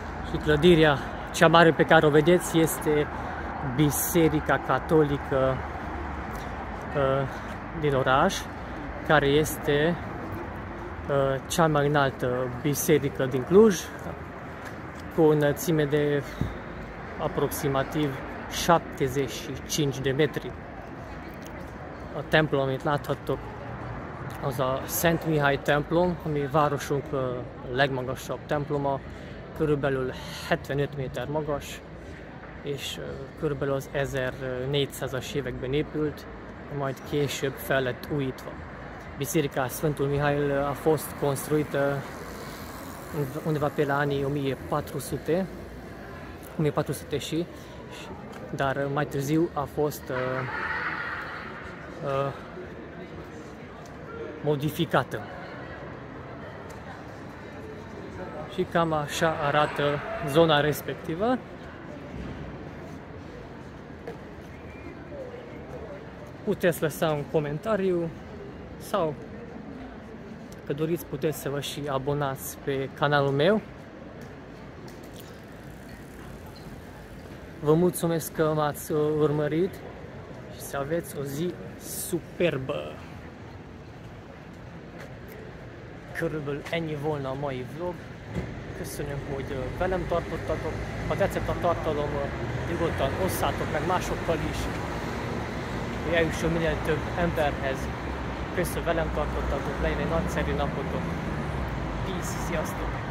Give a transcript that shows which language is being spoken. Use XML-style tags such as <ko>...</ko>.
<ro>Și clădirea cea mare pe care o vedeți este Biserica Catolică din oraș, care este cea mai înaltă biserică din Cluj, cu o înălțime de aproximativ 75 de metri.</ro> <hu>Templul, amit láthattok, az a Szent Mihály templom, ami városunk legmagasabb temploma, körülbelül 75 méter magas, és körülbelül az 1400-as években épült, majd később fel lett újítva.</hu> <ro>Biserica Sfântul Mihály a fost construită undeva pe la anii 1400 și, dar mai târziu a fost modificată. Și cam așa arată zona respectivă. Puteți lăsa un comentariu sau, dacă doriți, puteți să vă și abonați pe canalul meu. Vă mulțumesc că m-ați urmărit și să aveți o zi superbă!</ro> <hu>Körülbelül ennyi volna a mai vlog. Köszönöm, hogy velem tartottatok. Ha tetszett a tartalom, nyugodtan osszátok meg másokkal is, hogy eljusson minél több emberhez. Köszönöm, velem tartottatok, legyen egy nagyszerű napotok. Peace, sziasztok! A módszerűen ezt kömátszor merít, hisz a vécózi szuperban.</hu>